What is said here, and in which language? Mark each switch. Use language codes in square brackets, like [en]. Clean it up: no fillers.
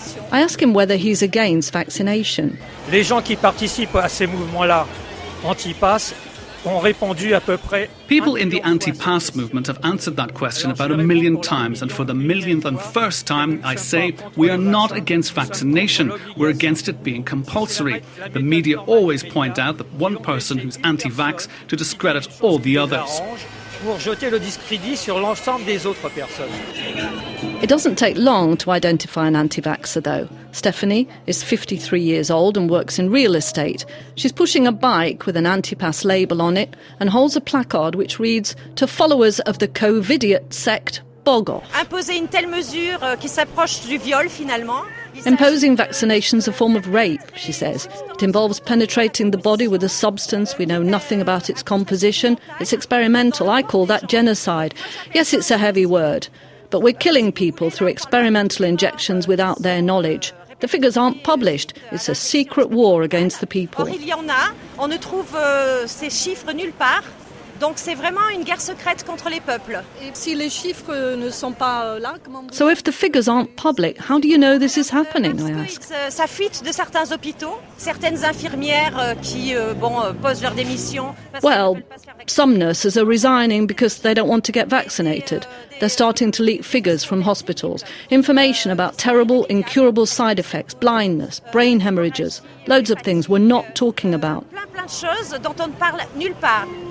[en] I ask him whether he's against vaccination. [fr] Les gens qui participent à ces mouvements-là, anti-pass, ont répondu à peu près. [en] People in the anti-pass movement have answered that question about a million times, and for the millionth and first time, I say we are not against vaccination. We're against it being compulsory. The media always point out the one person who's anti-vax to discredit all the others. [fr] Pour jeter le discrédit sur l'ensemble des autres personnes. [en] It doesn't take long to identify an anti-vaxxer, though. Stephanie is 53 years old and works in real estate. She's pushing a bike with an anti-pass label on it and holds a placard which reads, "To followers of the Covidiot sect, bog off." [fr] Imposer une telle mesure qui s'approche du viol, finalement. [en] Imposing vaccination is a form of rape, she says. It involves penetrating the body with a substance. We know nothing about its composition. It's experimental. I call that genocide. Yes, it's a heavy word, but we're killing people through experimental injections without their knowledge. The figures aren't published. It's a secret war against the people. [fr] Or il y en a. On ne trouve ces chiffres nulle part. Donc c'est vraiment une guerre secrète contre les peuples. Et si les chiffres ne sont pas là, comment... [en] So if the figures aren't public, how do you know this is happening, I ask? [fr] Ça fuite de certains hôpitaux, certaines infirmières qui, bon, posent leur démission. [en] Well, some nurses are resigning because they don't want to get vaccinated. They're starting to leak figures from hospitals, information about terrible, incurable side effects, blindness, brain hemorrhages, loads of things we're not talking about. [fr] Plein de choses dont on ne parle nulle part.